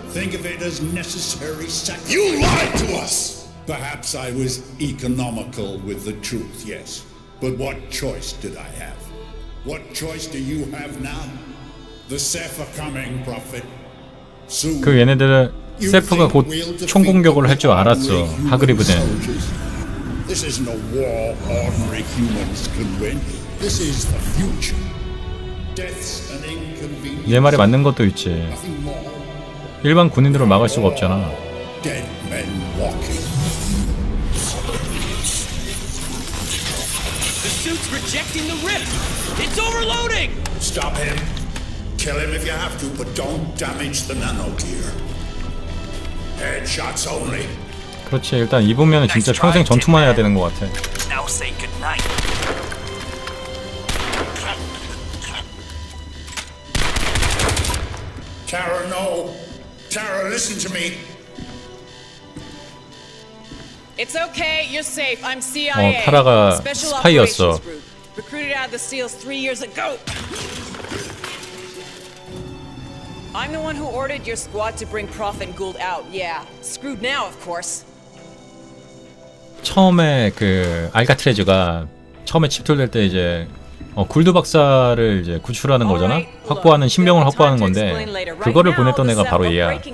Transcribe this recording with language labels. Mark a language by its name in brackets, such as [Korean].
[English] Think of it as necessary sacrifice. You lied to us. Perhaps I was economical with the truth, yes. But what choice did I have? What choice do you have now? The Seth are coming, Prophet. Soon. [Korean] 그 얘네들은 세프가 곧 총공격을 할 줄 알았어. 하그리브는. [English] This is no war ordinary humans can win. This is the future. Death's an inconvenience. [Korean] 내 말이 맞는 것도 있지. 일반 군인들을 막을 수가 없잖아. [English] Dead men walking. Suit's rejecting the rift. It's overloading. Stop him. Kill him if you have to, but don't damage the nano gear. Headshots only. [Korean] 그렇지. 일단 입으면 진짜 평생 전투만 해야 되는 것 같아. [English] Now say good night. Tara, no. Tara, listen to me. It's okay, you're safe. I'm CIA. [Korean] 어, 타라가 스파이였어. [English] Recruited out of the SEALs 3 years ago. I'm the one who ordered your squad to bring Prophet and Gould out. Yeah, screwed now, of course. [Korean] 처음에 그 알카트레즈가 처음에 침투될 때 이제 굴드 박사를 이제 구출하는 거잖아. 확보하는 신병을 확보하는 건데 그거를 보냈던 애가 바로 얘야.